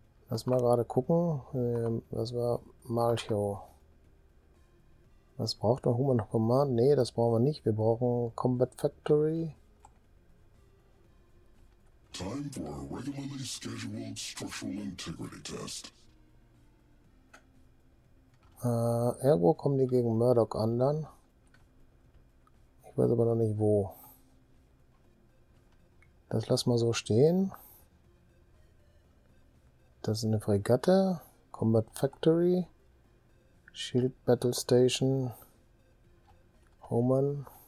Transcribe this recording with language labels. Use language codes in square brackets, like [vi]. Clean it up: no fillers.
[de] Lass mal gerade gucken. Was war Malchow? Was braucht noch Human Command? Nee, das brauchen wir nicht. Wir brauchen Combat Factory. [en] Time for a regularly scheduled structural integrity test. [de] Ergo kommen die gegen Murdoch an dann. Ich weiß aber noch nicht wo. Das lass mal so stehen. Das ist eine Fregatte. Combat Factory. Shield Battle Station. Homan.